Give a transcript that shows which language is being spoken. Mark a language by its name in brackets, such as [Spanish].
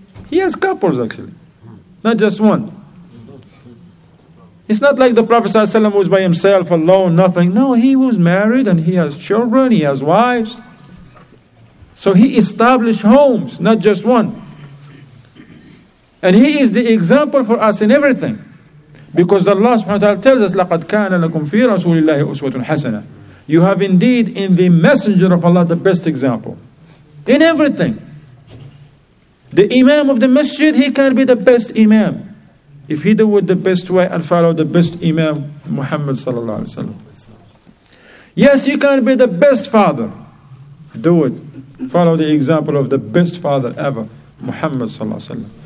[English] He has couples actually. Not just one. It's not like the Prophet sallallahu alaihi wasallam was by himself alone, nothing. No, he was married and he has children, he has wives. So he established homes, not just one. And he is the example for us in everything. Because Allah subhanahu wa ta'ala tells us, [Arabic] لَقَدْ كَانَ لَكُمْ فِي رَسُولِ اللَّهِ أُسْوَةٌ حَسَنَةٌ. [English] You have indeed in the Messenger of Allah the best example. In everything. The Imam of the Masjid, he can be the best Imam. If he do it the best way and follow the best Imam, Muhammad sallallahu alaihi wasallam. Yes, you can be the best father. Do it. Follow the example of the best father ever, Muhammad sallallahu alaihi wasallam.